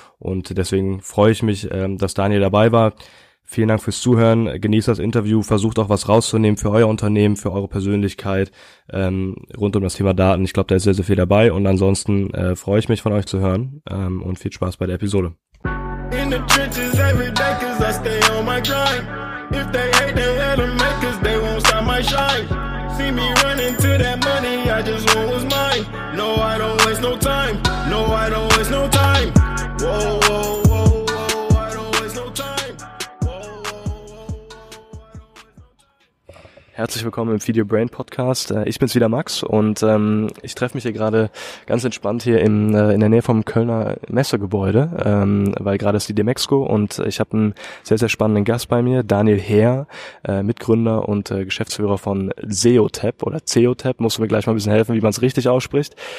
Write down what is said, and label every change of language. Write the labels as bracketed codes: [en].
[de] Und deswegen freue ich mich, dass Daniel dabei war. Vielen Dank fürs Zuhören. Genießt das Interview. Versucht auch was rauszunehmen für euer Unternehmen, für eure Persönlichkeit rund um das Thema Daten. Ich glaube, da ist sehr, sehr viel dabei. Und ansonsten freue ich mich, von euch zu hören und viel Spaß bei der Episode. [en] In the trenches every day, cause I stay on my grind. If they hate, they had to make, cause they won't stop my shine. See me running to that money, I just want what's mine. No, I don't waste no time. No, I don't waste no time. Whoa, whoa, whoa, whoa, I don't waste no time. Whoa, whoa, whoa, whoa, I don't waste no time. [de] Herzlich willkommen im Feed Your Brain Podcast. Ich bin's wieder, Max, und ich treffe mich hier gerade ganz entspannt hier in der Nähe vom Kölner Messegebäude, weil gerade ist die Demexco und ich habe einen sehr, sehr spannenden Gast bei mir, Daniel Heer, Mitgründer und Geschäftsführer von SEOTAP oder CEOTAP, musst du mir gleich mal ein bisschen helfen, wie man es richtig ausspricht.